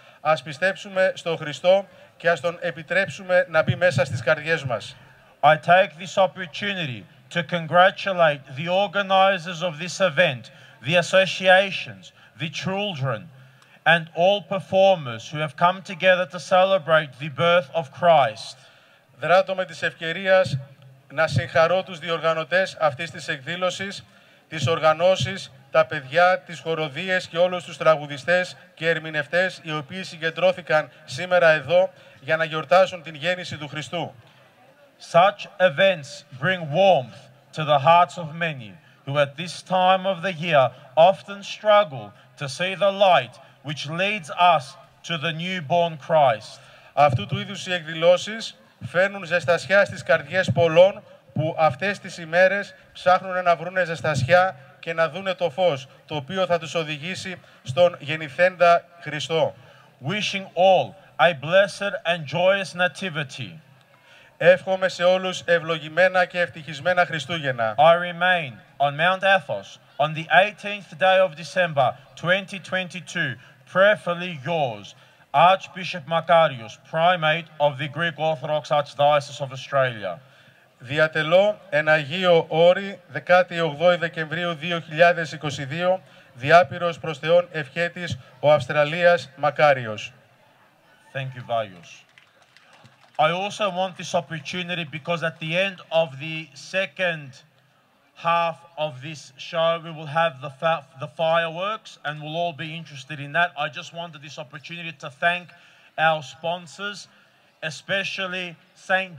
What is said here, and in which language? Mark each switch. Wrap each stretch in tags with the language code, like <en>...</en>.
<el>Ας πιστέψουμε στον Χριστό και ας τον επιτρέψουμε να μπει μέσα στις καρδιές μας.</el> <en>I take this opportunity to congratulate the organizers of this event, the associations, the children, and all performers who have come together to celebrate the birth of Christ.</en> <el>Δράτω με της ευκαιρίας να συγχαρώ τους διοργανωτές αυτής της εκδήλωσης, τις οργανώσεις, τα παιδιά, τις χοροδίες και όλους τους τραγουδιστές και ερμηνευτές οι οποίοι συγκεντρώθηκαν σήμερα εδώ για να γιορτάσουν την γέννηση του Χριστού.</el> <en>Such events bring warmth to the hearts of many who at this time of the year often struggle to see the light which leads us to the newborn Christ.</en> <el>Αυτού του είδους οι εκδηλώσεις φέρνουν ζεστασιά στις καρδιές πολλών που αυτές τις ημέρες ψάχνουν να βρουν ζεστασιά και να δούνε το φως το οποίο θα τους οδηγήσει στον γεννηθέντα Χριστό.</el> <en>Wishing all a blessed and joyous nativity.</en> <el>Εύχομαι σε όλους ευλογημένα και ευτυχισμένα Χριστούγεννα.</el> <en>I remain on Mount Athos on the 18th day of December 2022, prayerfully yours, Archbishop Makarios, Primate of the Greek Orthodox Archdiocese of Australia.</en> <el>Διατελώ εν Αγίω Όρη, 18 Δεκεμβρίου 2022, διάπειρος προς Θεόν ευχέτης ο Αυστραλίας Μακάριος.</el> <en>Thank you, Vagios. I also want this opportunity because at the end of the second half of this show, we will have the fireworks and we'll all be interested in that. I just wanted this opportunity to thank our sponsors, especially St.</en>